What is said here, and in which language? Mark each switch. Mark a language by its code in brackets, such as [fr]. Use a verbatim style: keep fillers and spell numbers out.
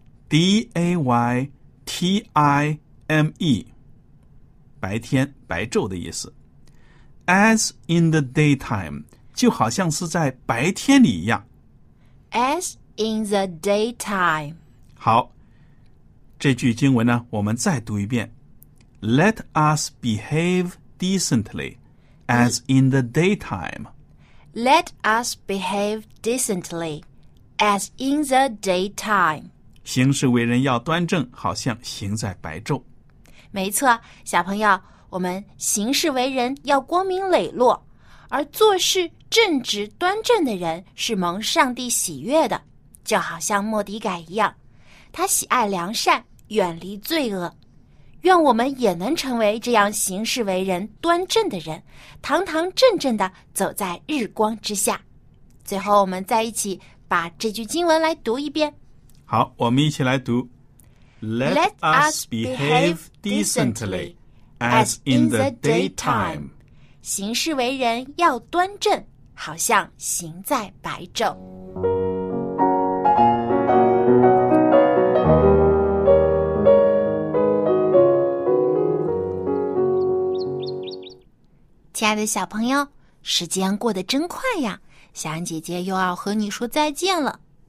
[zh] D A Y T I M E 白天、白昼的意思。 [en] As in the daytime [zh] 就好像是在白天里一样。 [en] As in the daytime. [zh] 好，这句经文呢，我们再读一遍。 [en] Let us behave decently as in the daytime. Let us behave decently. As in the daytime. [zh] 行事为人要端正，好像行在白昼。没错，小朋友，我们行事为人要光明磊落，而做事正直端正的人是蒙上帝喜悦的，就好像末底改一样，他喜爱良善，远离罪恶。愿我们也能成为这样行事为人端正的人，堂堂正正地走在日光之下。最后，我们在一起把这句经文来读一遍。好，我们一起来读。 [en] Let us behave decently as in the daytime. [zh] 行事为人要端正，好像行在白昼。亲爱的小朋友，时间过得真快呀，小安姐姐又要和你说再见了。